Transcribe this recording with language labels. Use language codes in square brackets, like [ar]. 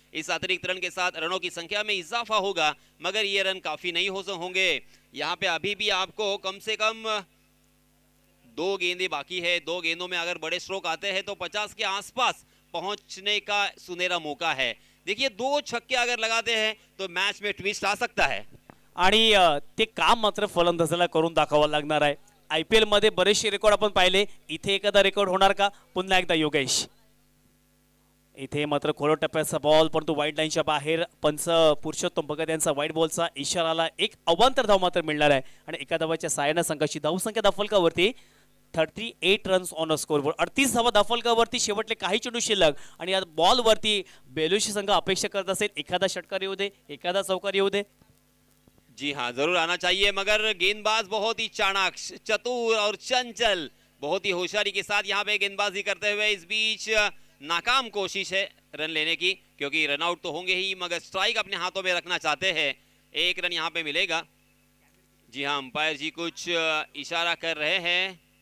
[hi] इस अतिरिक्त रन के साथ रनों की संख्या में इजाफा होगा, मगर ये रन काफी नहीं होंगे। यहाँ पे अभी भी आपको कम से कम दो गेंदे बाकी है, दो गेंदों में अगर बड़े स्ट्रोक आते हैं तो 50 के आसपास पहुंचने का सुनहरा मौका है। देखिए, दो छक्के अगर लगाते हैं तो मैच में ट्विस्ट आ सकता है [mr] आणि ते काम मात्र फलंदाजाला करून दाखवावं लागणार आहे। आयपीएल मध्ये बरेचसे रेकॉर्ड आपण पाहिले, इथे एखादा रेकॉर्ड होणार का? पुन्हा एकदा योगेश, इथे मात्र खोलवर टप्प्याचा बॉल परंतु वाईड लाईनच्या बाहेर, पंच पुरुषोत्तम भगत यांचा वाईड बॉलचा इशाराला एक अवांतर धाव मात्र मिळणार आहे आणि एका धावाच्या सहाय्याने संघाची धावसंख्या दफलकावरती [en] 38 runs on a scoreboard, [mr] 38 धावा दफलकावरती शेवटले काही चेंडू शिल्लक आणि या बॉलवरती बेलुशी संघ अपेक्षा करत असेल एखादा षटकार येऊ दे, एखादा चौकार येऊ दे। [hi] जी हाँ, जरूर आना चाहिए, मगर गेंदबाज बहुत ही चाणाक, चतुर और चंचल, बहुत ही होशियारी के साथ यहाँ पे गेंदबाजी करते हुए इस बीच नाकाम कोशिश है रन लेने की, क्योंकि रन आउट तो होंगे ही मगर स्ट्राइक अपने हाथों में रखना चाहते हैं। एक रन यहाँ पे मिलेगा। जी हाँ, अंपायर जी कुछ इशारा कर रहे हैं।